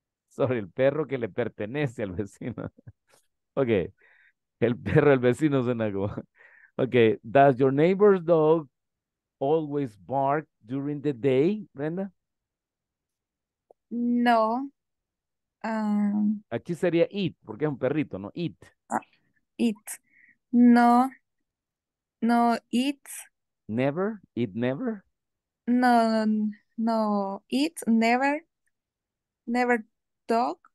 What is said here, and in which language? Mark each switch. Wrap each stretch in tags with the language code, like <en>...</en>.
<es>Sorry, el perro que le pertenece al vecino. Okay. El perro del vecino suena como... Okay.</es> <en>Does your neighbor's dog always bark during the day, Brenda? No.</en> <es>Aquí sería eat, porque es un perrito, ¿no?</es> <en>Eat. Eat. No. No, eat. Never? Eat never? No, no. Eat never. Never dog?</en>